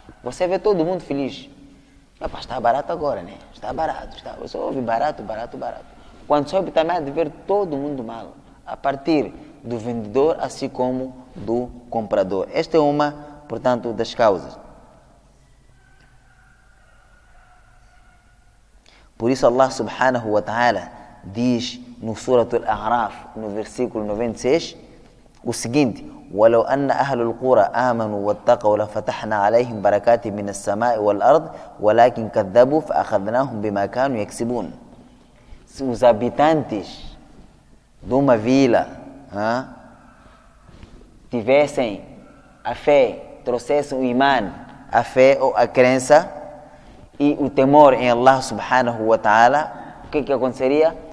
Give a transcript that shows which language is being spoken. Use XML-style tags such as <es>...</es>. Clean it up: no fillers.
<pt>Você vê todo mundo feliz. Rapaz, está barato agora, né? Está barato. Está... Você ouve barato, barato, barato. Quando soube também de ver todo mundo mal, a partir do vendedor, assim como do comprador. Esta é uma, portanto, das causas. Por isso Allah subhanahu wa ta'ala diz no Surah Al-A'raf, no versículo 96, o seguinte:</pt> <ar>وَلَوْ أَنَّ أَهْلُ الْقُرَى آمَنُوا وَاتَّقَوْا لَفَتَحْنَا عَلَيْهِمْ بَرَكَاتٍ مِنَ السَّمَاءِ وَالْأَرْضِ وَلَكِنْ كَذَّبُوا فَأَخَذْنَاهُمْ بِمَا كَانُوا يَكْسِبُونَ.</ar> <pt>Os habitantes de uma vila, tivessem a fé, trouxessem o imã, a fé ou a crença e o temor em Allah subhanahu wa ta'ala, o que aconteceria?</pt>